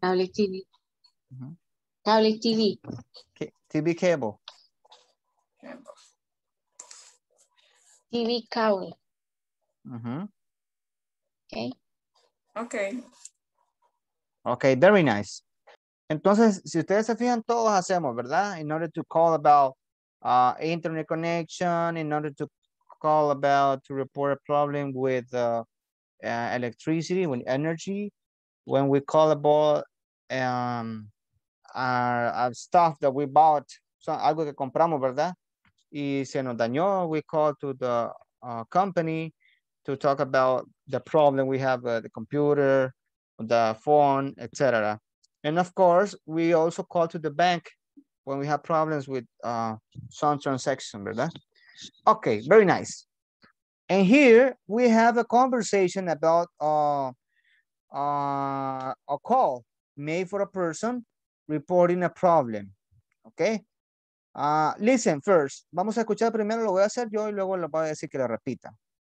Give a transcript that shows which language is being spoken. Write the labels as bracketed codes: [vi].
[en] Cable TV. Mm-hmm. Cable TV. [es] TV cable. TV cable. Mm-hmm. [en] Okay. Okay. Okay, very nice. [es] Entonces, si ustedes se fijan, todos hacemos, ¿verdad? [en] In order to call about internet connection, in order to call about to report a problem with electricity, with energy, when we call about our stuff that we bought, so [es] algo que compramos, ¿verdad? Y se nos dañó, [en] we call to the company to talk about the problem we have with the computer, the phone, etc. And of course, we also call to the bank when we have problems with some transaction, ¿verdad? Okay, very nice. And here we have a conversation about a call made for a person reporting a problem. Okay? Listen first. [es] Vamos a escuchar primero, lo voy a hacer yo y luego lo voy a decir que lo repita.